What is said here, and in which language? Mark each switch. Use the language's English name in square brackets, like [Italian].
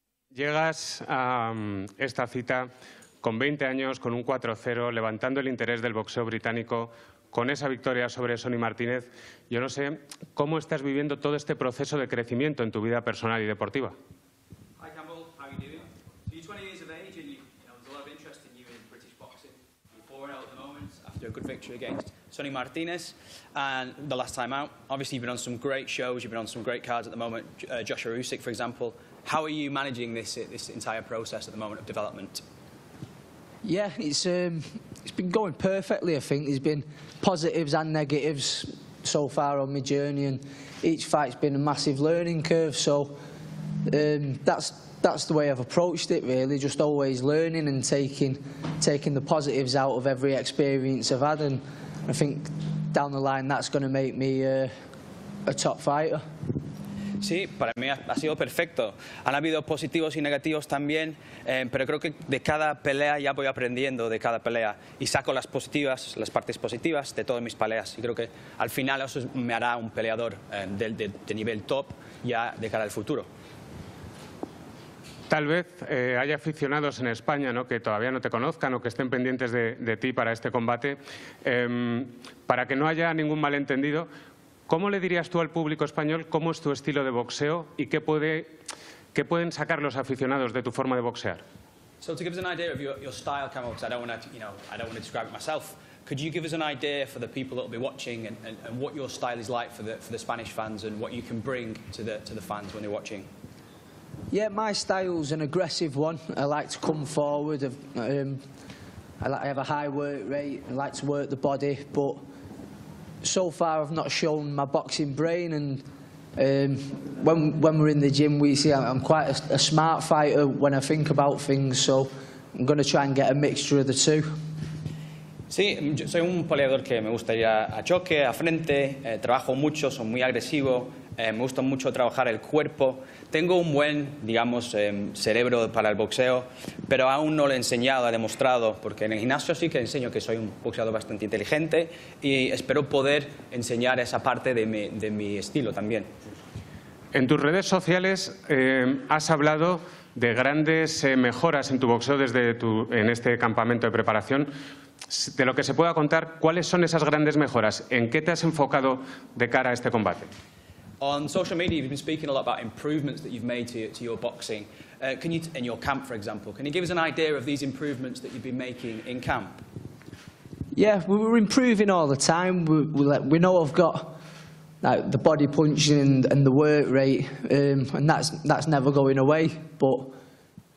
[Spanish] Llegas a esta cita con 20 años, con un 4-0, levantando el interés del boxeo británico, con esa victoria sobre Sonny Martínez. Yo no sé, ¿cómo estás viviendo todo este proceso de crecimiento en tu vida personal y deportiva? [English] Hi Campbell, how are you doing? So you're 20 years of age and you know, there's a lot of interest in you in British boxing. You're 4-0 at the moment after a good victory against Sonny Martínez and the last time out. Obviously you've been on some great shows, you've been on some great cards at the moment, Joshua Usyk for example. How are you managing this entire process at the moment of development? Yeah, it's been going perfectly, I think. There's been positives and negatives so far on my journey, and each fight's been a massive learning curve. So that's the way I've approached it, really, just always learning and taking the positives out of every experience I've had. And I think down the line, that's going to make me a top fighter. [Spanish] Sí, para mí ha sido perfecto. Han habido positivos y negativos también, pero creo que de cada pelea ya voy aprendiendo de cada pelea y saco las positivas, las partes positivas de todas mis peleas. Y creo que al final eso me hará un peleador de nivel top ya de cara al futuro. Tal vez haya aficionados en España, ¿no?, que todavía no te conozcan o que estén pendientes de ti para este combate. Para que no haya ningún malentendido, ¿cómo le dirías tú al público español cómo es tu estilo de boxeo y qué pueden sacar los aficionados de tu forma de boxear? [English] So to give us an idea of your style, Camel, because I don't want to describe it myself. Could you give us an idea for the people that will be watching and what your style is like for the Spanish fans and what you can bring to the fans when they're watching? Yeah, my style is an aggressive one. I like to come forward. I have a high work rate. I like to work the body, but so far I've not shown my boxing brain, and when we're in the gym we see I'm quite a smart fighter when I think about things, so I'm going to try and get a mixture of the two. [Spanish] Sí, soy un peleador que me gusta ir a choque, a frente, trabajo mucho, soy muy agresivo, me gusta mucho trabajar el cuerpo. Tengo un buen, digamos, cerebro para el boxeo, pero aún no lo he enseñado, he demostrado, porque en el gimnasio sí que enseño que soy un boxeador bastante inteligente y espero poder enseñar esa parte de mi estilo también. En tus redes sociales has hablado de grandes mejoras en tu boxeo en este campamento de preparación. De lo que se pueda contar, ¿cuáles son esas grandes mejoras? ¿En qué te has enfocado de cara a este combate? [English] On social media, you've been speaking a lot about improvements that you've made to your boxing. Can you, in your camp, for example, can you give us an idea of these improvements that you've been making in camp? Yeah, we're improving all the time. We know I've got like the body punching and the work rate, and that's never going away. But